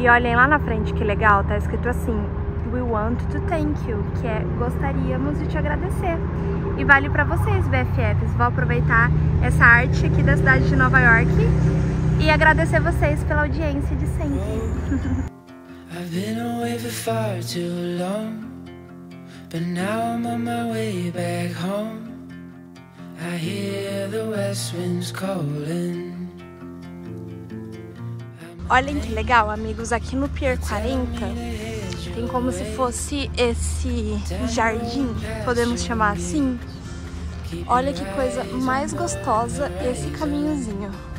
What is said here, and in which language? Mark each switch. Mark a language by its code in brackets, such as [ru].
[pt] E olhem lá na frente que legal, tá escrito assim, [en] We want to thank you, [pt] que é gostaríamos de te agradecer. E vale pra vocês, BFFs. Vou aproveitar essa arte aqui da cidade de Nova York e agradecer vocês pela audiência de sempre. [en] I've been away for far too long, but now I'm on my way back home. I hear the west winds calling. [pt] Olhem que legal, amigos, aqui no Pier 40 tem como se fosse esse jardim, podemos chamar assim. Olha que coisa mais gostosa esse caminhozinho.